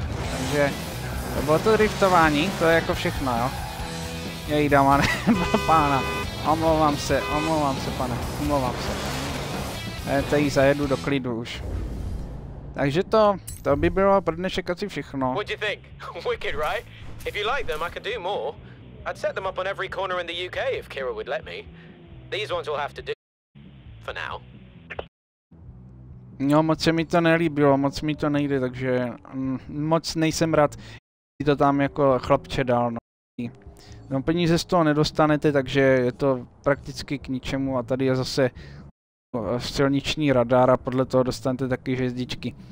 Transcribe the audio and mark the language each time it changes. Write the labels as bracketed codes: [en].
[cs] Takže, to bylo to driftování, to je jako všechno, jo. Její dama, ne, pána. Omlouvám se, pane. Tady zajedu do klidu už. Takže to by bylo pro dnešek asi všechno. [en] What do you think? Wicked, right? If you like them, I could do more. I'd set them up on every corner in the UK if Kira would let me. These ones will have to do for now. [cs] No, moc se mi to nelíbilo, moc mi to nejde, takže moc nejsem rád, že to tam jako chlapče dal. No, peníze z toho nedostanete, takže je to prakticky k ničemu a tady je zase silniční radar a podle toho dostanete taky hvězdičky.